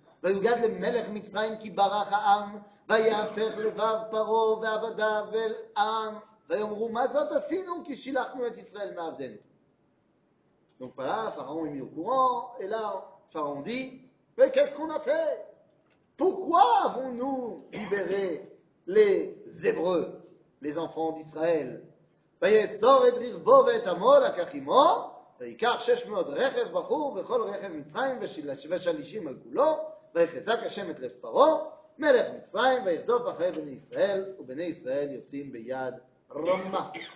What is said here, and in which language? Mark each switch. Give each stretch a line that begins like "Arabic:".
Hebrew: ויוגד למלך מצרים כי ברח העם, ויהפך לבב פרו ועבדיו אל עם, ויאמרו מה זאת עשינו כי שילחנו את ישראל מעבדנו.
French: Donc voilà, Pharaon est mis au courant, et là, Pharaon dit, mais qu'est-ce qu'on a fait? Pourquoi avons-nous libéré les Hébreux, les enfants d'Israël?
Hebrew: ויאסור את רכבו ואת עמו לקח עמו, ויקח 600 רכב בחור וכל רכב מצרים ושלישים על כולו, ויחזק השם את לב פרעה, מלך מצרים, וירדוף אחרי בני ישראל, ובני ישראל יוצאים ביד רמה.